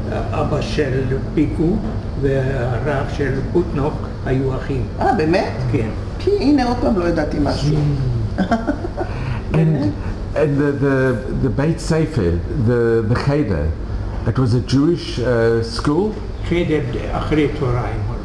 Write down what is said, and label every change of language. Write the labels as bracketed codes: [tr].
[he] אבא של פיקו והרב של פוטנוק היו אחים. באמת? כן. כי הנה עוד פעם לא ידעתי משהו. [en] And the Beit Sefer, the Cheder, it was a Jewish school? [he] Cheder אחרי תוריים.